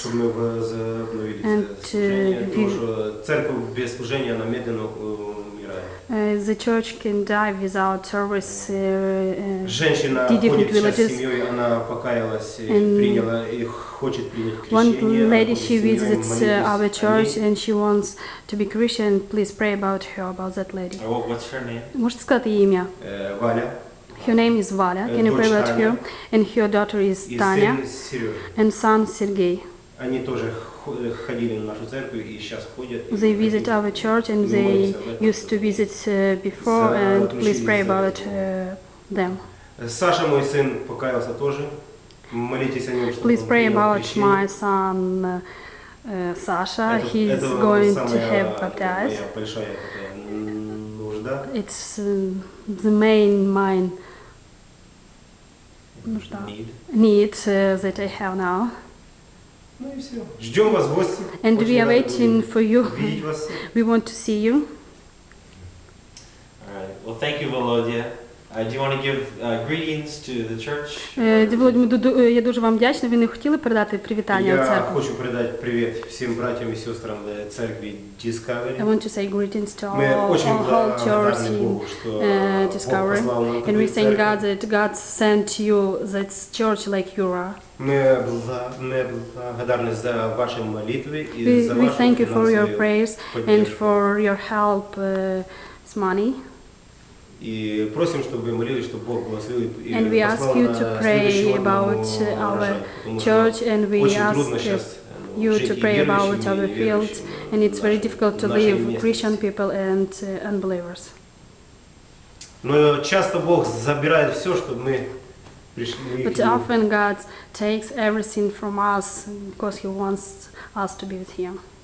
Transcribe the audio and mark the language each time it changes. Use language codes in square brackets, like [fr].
[uk] Щоб ми возобновили служення, тому що церква без служення, вона медленно вмирає. [en] The church can die without service. [uk] Женщина ходить сейчас з сім'єю, вона покаялась, прийняла і хоче прийняти хрещення. [en] One lady, she visits our church and she wants to be Christian. Please pray about her, about that lady. What's her name? [uk] Можете сказати її ім'я? Валя. [en] Her name is Valya. Can you pray about her? And her daughter is Tanya. And son Sergey. [ru] Они тоже ходили в нашу церковь и сейчас ходят. [en] They visit our church and they used to visit before. And please pray about them. [ru] Саша, мой сын, покаялся тоже. Молитесь о нем, чтобы. [en] Please pray about my son Sasha. He is going to have baptized. [ru] Это самая большая нужда. [en] It's the main mine. Need that I have now. [ru] Ждем вас в гости. [en] And we are waiting for you. [ru] Видеть вас. [en] We want to see you. Alright. Well, thank you, [uk] Володя. [en] Do you want to give greetings to the church? [uk] Я дуже вам вдячна. Ви не хотіли передати привітання церкві? Я хочу передати привіт всім братям і сестрам церкви Discovery. [en] I want to say greetings to all the whole church in Discovery. And we thank God that God sent you that church like you are. [uk] Ми благодарні за ваші молитви і за вашу фінансову [en] We thank you for your prayers and for your help with money. [uk] І просимо, щоб ви молились, щоб Бог благословив і послав [en] And we ask you to pray about our church and we ask you to pray about our field and it's very difficult to live Christian people and unbelievers. [uk] Но часто Бог забирає все, щоб ми [en] But often God takes everything from us because He wants us to be with Him.